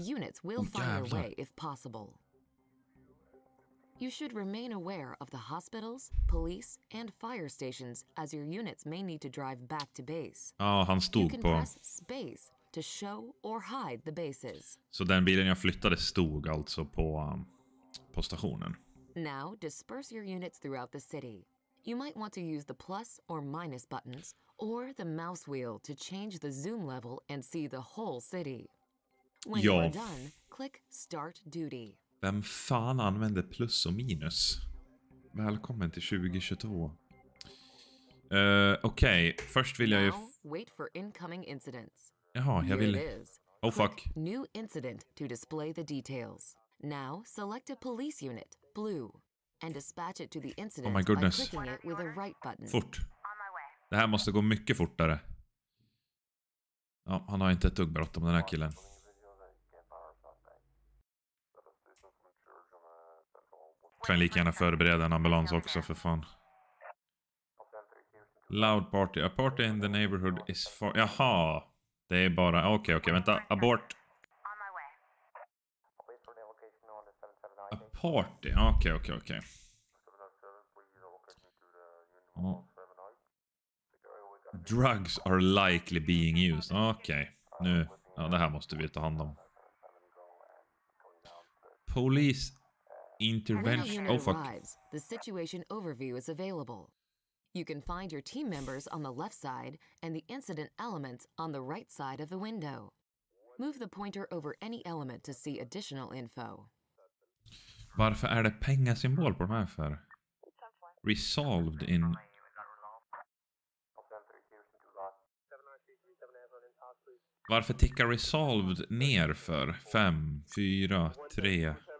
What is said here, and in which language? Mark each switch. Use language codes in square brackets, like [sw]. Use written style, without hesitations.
[en] The units will find their way if possible. You should remain aware of the hospitals, police and fire stations as your units may need to drive back to base. [sv] Ah, han stod [en] you can [sv] på. [en] Press space to show or hide the bases. [sv] Så den bilen jag flyttade stod alltså på stationen. [en] Now disperse your units throughout the city. You might want to use the plus or minus buttons or the mouse wheel to change the zoom level and see the whole city. When [sv] ja. [en] You are done, click start duty. [sv] Vem fan använder plus och minus? Välkommen till 2022. Okej, okay. Först vill jag ju... [en] Wait for incoming incidents. [sv] Jaha, jag vill... [en] Oh fuck. New incident to display the details. Now select a police unit, blue, and dispatch it to the incident by clicking it with a right button. [sv] Fort. Det här måste gå mycket fortare. Ja, han har inte ett dugg bråttom den här killen. Kan lika gärna förbereda en ambulans också för fan. [en] Loud party. A party in the neighborhood is far. [sv] Jaha. Det är bara. Okej. Vänta. Abort. [en] A party. Okej. Drugs are likely being used. [sv] Okej. Nu. Ja, det här måste vi ta hand om. [en] Police. Intervention. Oh fuck. The situation overview is available. You can find your team members on the left side and the incident elements on the right side of the window. Move the pointer over any element to see additional info. [sv] Varför är det pengasymbol på de här för? [en] Resolved in... [sv] Varför tickar resolved ner för? 5, 4, 3...